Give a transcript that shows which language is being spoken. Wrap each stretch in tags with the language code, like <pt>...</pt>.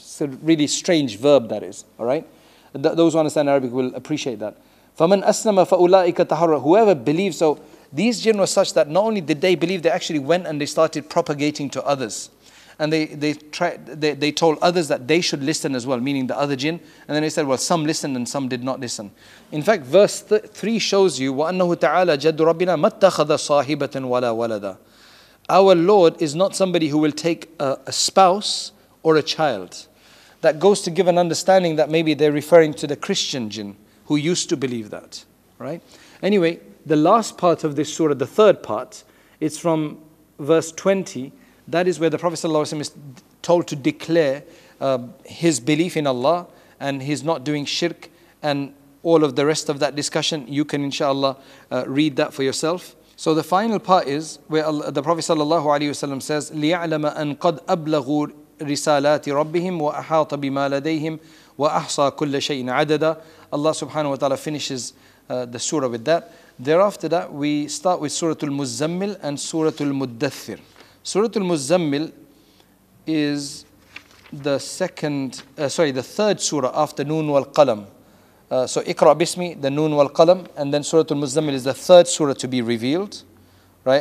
<en>It's a really strange verb that is, all right? Those who understand Arabic will appreciate that.</en> <ar>فَمَنْ أَسْلَمَ فَأُولَٰئِكَ تَحَرَّ.</ar> <en>Whoever believes, so these jinn were such that not only did they believe, they actually went and they started propagating to others. And they told others that they should listen as well, meaning the other jinn. And then they said, well, some listened and some did not listen. In fact, verse 3 shows you,</en> <ar>وَأَنَّهُ تَعَالَى جَدُّ رَبِّنَا مَتَّخَذَ صَاحِبَةً وَلَا وَلَدًا.</ar> <en>Our Lord is not somebody who will take a spouse or a child. That goes to give an understanding that maybe they're referring to the Christian jinn who used to believe that, right? Anyway, the last part of this surah, the third part, it's from verse 20. That is where the Prophet ﷺ is told to declare his belief in Allah and he's not doing shirk, and all of the rest of that discussion, you can inshallah read that for yourself. So the final part is where the Prophet ﷺ says,</en> <ar>لِيَعْلَمَ أَنْ قَدْ أَبْلَغُوا رِسَالَاتِ رَبِّهِمْ وَأَحَاطَ بِمَا لَدَيْهِمْ وَأَحْصَى كُلَّ شَيْءٍ عَدَدًا.</ar> <en>Allah subhanahu wa ta'ala finishes the surah with that. Thereafter that, we start with Surah Al-Muzzammil and Surah Al-Muddathir. Surah Al-Muzzammil is the third surah after Noon wal-Qalam. So Iqra' Bismi, the Noon wal-Qalam, and then Surah Al-Muzzammil is the third surah to be revealed, right?</en>